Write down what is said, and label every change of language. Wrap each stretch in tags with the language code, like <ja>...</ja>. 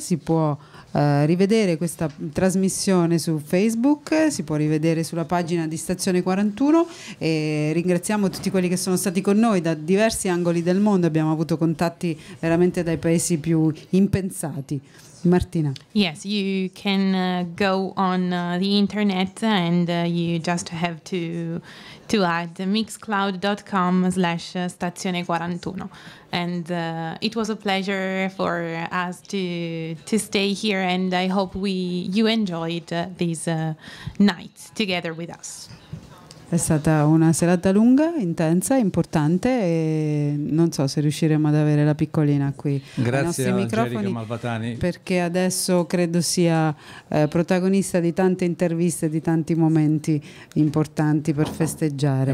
<it>Si può rivedere questa trasmissione su Facebook, si può rivedere sulla pagina di Stazione 41, e ringraziamo tutti quelli che sono stati con noi da diversi angoli del mondo. Abbiamo avuto contatti veramente dai paesi più impensati. Martina.</it> <en>Yes, you can go on the internet and you just have to add mixcloud.com/stazione41. And it was a pleasure for us to stay here, and I hope you enjoyed these nights together with us.</en> <it>È stata una serata lunga, intensa, importante, e non so se riusciremo ad avere la piccolina qui. Grazie ai microfoni, Angelica Malvatani, perché adesso credo sia protagonista di tante interviste, di tanti momenti importanti per festeggiare.</it>